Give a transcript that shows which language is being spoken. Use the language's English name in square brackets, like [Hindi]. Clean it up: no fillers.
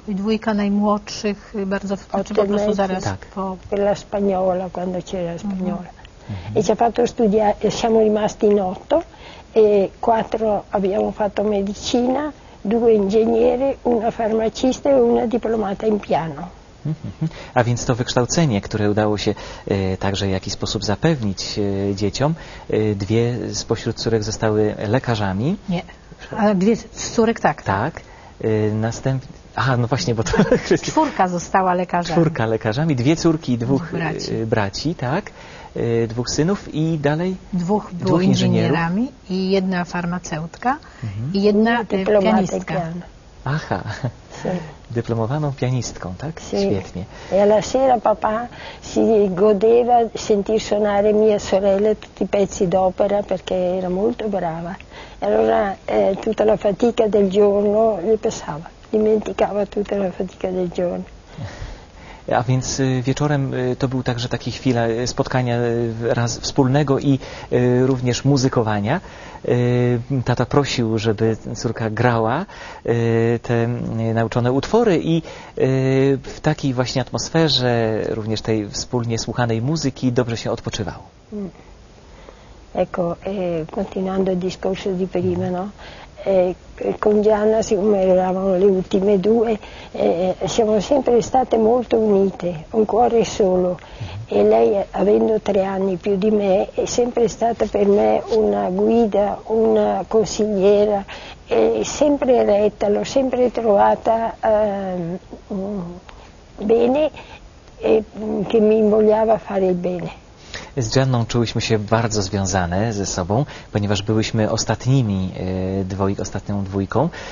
[Polish] I dwójka najmłodszych bardzo po prostu zaraz, tak, po [Italian] la Spagnola, quando c'era Spagnola. Mm-hmm. E ci ha fatto studiare, siamo rimasti in 8 e 4 abbiamo fatto medicina, 2 ingegnere, una farmacista e una diplomata in piano. [Polish] A więc to wykształcenie, które udało się także w jakiś sposób zapewnić dzieciom, dwie spośród córek zostały lekarzami. Nie, a dwie z córek, tak. Tak. Następnie. Aha, no właśnie, bo to czwórka została lekarzami. Czwórka lekarzami, dwie córki i dwóch braci, tak? Dwóch synów i dalej? Dwóch było inżynierami i jedna farmaceutka, mhm, i jedna pianistka. Aha. Dyplomowaną pianistką, tak? [Italian] Sì. [Polish] Świetnie. [Italian] E alla sera papà si godeva sentir suonare mia sorella tutti i pezzi d'opera, perché era molto brava. E allora tutta la fatica del giorno gli passava. Dimenticava tutta la fatica del giorno. [Polish] A więc wieczorem to był także taki chwila spotkania raz wspólnego i również muzykowania. Tata prosił, żeby córka grała te nauczone utwory i w takiej właśnie atmosferze, również tej wspólnie słuchanej muzyki, dobrze się odpoczywał. [Italian] Ecco, continuando il discorso di prima, no? Con Gianna, siccome eravamo le ultime due, siamo sempre state molto unite, un cuore solo. E lei, avendo 3 anni più di me, è sempre stata per me una guida, una consigliera, è sempre retta, l'ho sempre trovata bene e che mi invogliava a fare il bene. [Polish] Z Gianną czułyśmy się bardzo związane ze sobą, ponieważ byłyśmy ostatnią dwójką.